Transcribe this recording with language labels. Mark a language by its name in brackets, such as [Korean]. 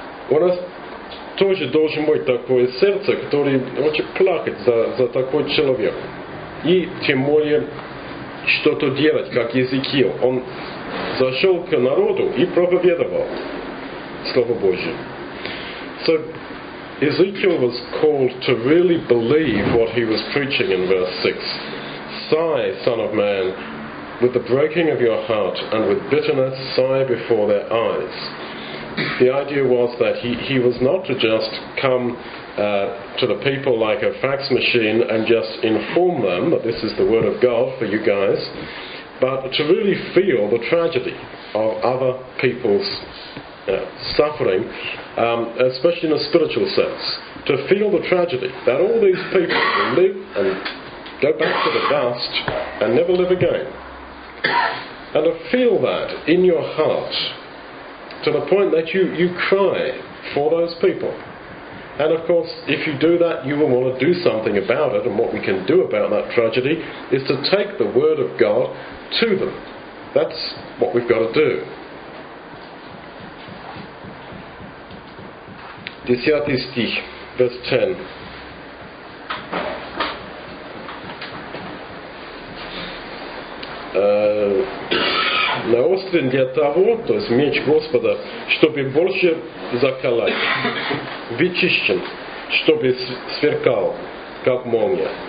[Russian] У нас тоже должен быть такое сердце, которое хочет плакать за такой человек. И тем более что-то делать, как Езекиил. Он зашел к народу и проповедовал Слово Божие. [English] So, Ezekiel was called to really believe what he was preaching in verse 6. Sigh, son of man, with the breaking of your heart and with bitterness sigh before their eyes. The idea was that he was not to just come to the people like a fax machine and just inform them that this is the word of God for you guys, but to really feel the tragedy of other people's suffering, especially in a spiritual sense, to feel the tragedy that all these people will live and go back to the dust and never live again. And to feel that in your heart to the point that you cry for those people. And of course, if you do that, you will want to do something about it, and what we can do about that tragedy is to take the word of God to them. That's what we've got to do. [Russian] Десятый стих, [English] verse 10. [Russian] Наострен для того, то есть меч Господа, чтобы больше закалять, вычищен, чтобы сверкал, как молния.